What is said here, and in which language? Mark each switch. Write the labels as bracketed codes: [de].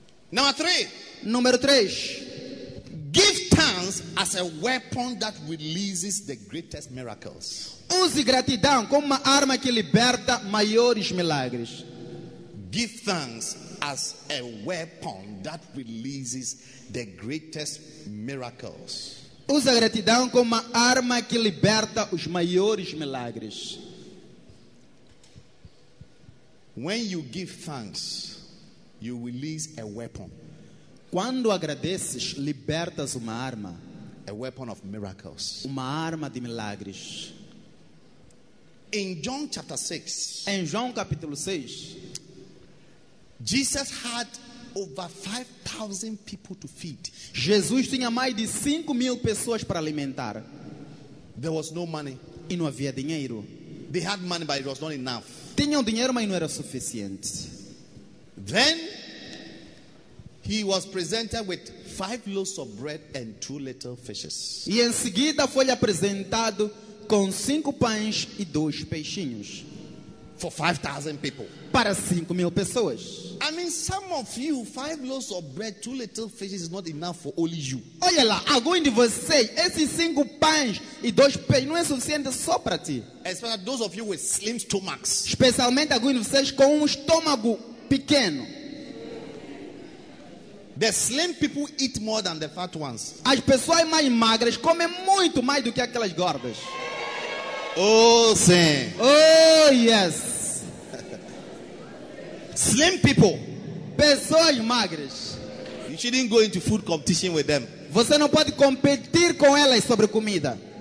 [en] Number 3. [pt] Número 3. [en] Give thanks as a weapon that releases the greatest miracles. [pt] Use gratidão como uma arma que liberta maiores milagres. [en] Give thanks as a weapon that releases the greatest miracles. [pt] Use a gratidão como uma arma que liberta os maiores milagres. [en] When you give thanks, you release a weapon. [pt] Quando agradeces, libertas uma arma. [en] A weapon of miracles. [pt] Uma arma de milagres. [en] In John chapter 6. [pt] Em João capítulo 6. [en] Jesus had over 5,000 people to feed. [pt] Jesus tinha mais de 5,000 pessoas para alimentar. [en] There was no money. [pt] E não havia dinheiro. [en] They had money, but it was not enough. [pt] Tinham dinheiro, mas não era suficiente. [en] Then he was presented with 5 loaves of bread and 2 little fishes. [pt] E em seguida foi apresentado com 5 pães e 2 peixinhos. [en] For 5,000 people. [pt] Para 5 mil pessoas. [en] I mean, some of you, 5 loaves of bread, 2 little fishes is not enough for only you. [pt] Olha lá, alguns de vocês, esses 5 pães e 2 peixes não é suficiente só para ti. [en] Especially those of you with slim stomachs. [pt] Especialmente alguns de vocês com estômago pequeno. [en] The slim people eat more than the fat ones. [pt] As pessoas mais magras comem muito mais do que aquelas gordas. Oh, sim. [en] Oh, yes. Slim people. [pt] Pessoas magras. [en] You shouldn't go into food competition with them. [pt] Você não pode competir com elas sobre comida.